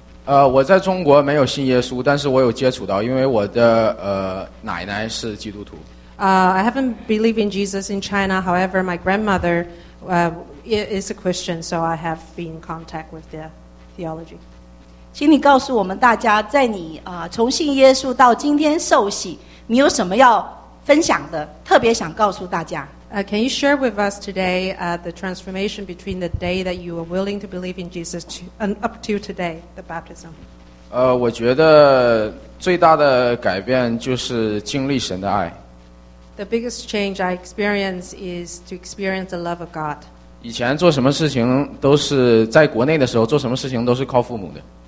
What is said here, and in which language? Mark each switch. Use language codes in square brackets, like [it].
[zh] 我在中国没有信耶稣，但是我有接触到，因为我的奶奶是基督徒。 [en] I haven't believed in Jesus in China. However, my grandmother is a Christian, so I have been in contact with the theology. [zh] 请你告诉我们大家，在你从信耶稣到今天受洗，你有什么要分享的？特别想告诉大家。 [en] Can you share with us today the transformation between the day that you were willing to believe in Jesus to, and up to today, the baptism? [zh] 我觉得最大的改变就是经历神的爱。 [en] The biggest change I experience is to experience the love of God. [zh] 以前做什么事情都是在国内的时候，做什么事情都是靠父母的。